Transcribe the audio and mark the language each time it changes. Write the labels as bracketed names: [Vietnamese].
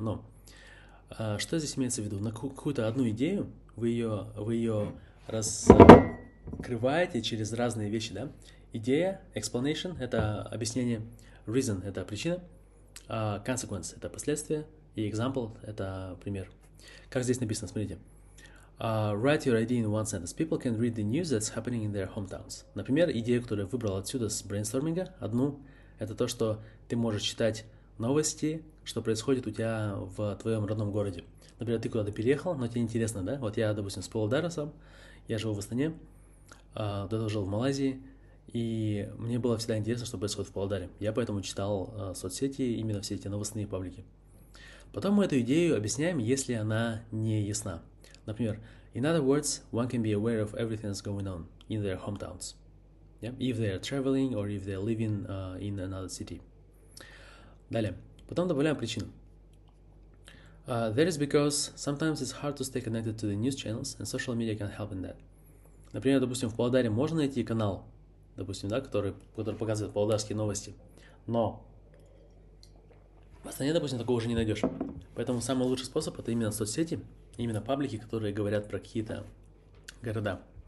[Russian] Но что здесь имеется в виду? На какую-то одну идею вы ее раскрываете через разные вещи, да? Идея, explanation — это объяснение, reason — это причина, consequence — это последствия, и example — это пример. Как здесь написано, смотрите. [English] Write your idea in one sentence. People can read the news that's happening in their hometowns. [Russian] Например, идея, которую я выбрал отсюда с брейнсторминга, одну, это то, что ты можешь читать новости, что происходит у тебя в твоем родном городе. Например, ты куда-то переехал, но тебе интересно, да? Вот я, допустим, с Павлодара сам, я живу в Астане, до жил в Малайзии, и мне было всегда интересно, что происходит в Павлодаре. Я поэтому читал соцсети, именно все эти новостные паблики. Потом мы эту идею объясняем, если она не ясна. Например, [English] in other words, one can be aware of everything that's going on in their hometowns. Yeah? If they are traveling or if they are living in another city. [Russian] Далее. Потом добавляем причину. [English] That is because sometimes it's hard to stay connected to the news channels, and social media can help in that. [Russian] Например, допустим, в Павлодаре можно найти канал, допустим, да, который показывает павлодарские новости. Но в Астане, допустим, такого уже не найдешь. Поэтому самый лучший способ — это именно соцсети. Именно паблики, которые говорят про какие-то города.